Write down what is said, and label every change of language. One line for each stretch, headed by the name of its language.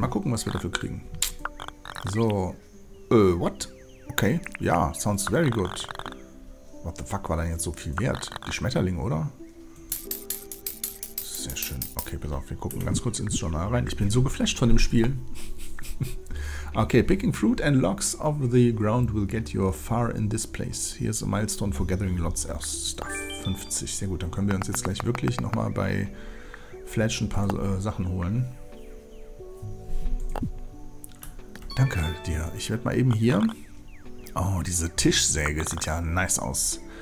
German: Mal gucken, was wir dafür kriegen. So.
English: What? Okay.
German: Ja,
English: sounds very good. What the fuck
German: war denn jetzt so viel wert? Die Schmetterlinge, oder? Sehr schön. Okay, pass auf, wir gucken ganz kurz ins Journal rein. Ich bin so geflasht von dem Spiel.
English: Okay, picking fruit and logs of the ground will get you far in this place. Here's a milestone for gathering lots of stuff.
German: 50, sehr gut. Dann können wir uns jetzt gleich wirklich nochmal bei Fletch ein paar Sachen holen. Danke dir. Ich werde mal eben hier... Oh, diese Tischsäge sieht ja nice aus.